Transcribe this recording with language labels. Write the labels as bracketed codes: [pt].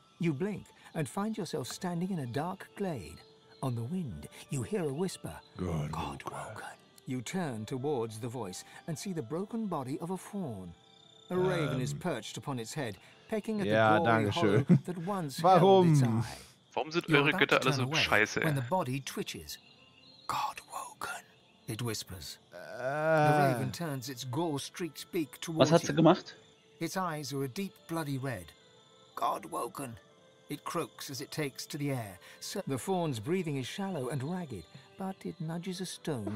[en] You blink, and find yourself standing in a dark glade. On the wind, you hear a whisper, Godbroken. You turn towards the voice, and see the broken body of a fawn. A raven is perched upon its head, pecking at the glory hollow that once held its eye. [de] Warum sind eure Götter alle so scheiße, ey? [en] When the body twitches, Godbroken. It whispers. The raven turns its gore-streaked beak towards [de] Was hat sie gemacht? [en] Its eyes are a deep bloody red. Godbroken. It croaks as it takes to the air. So the fawn's breathing is shallow and ragged, but it nudges a stone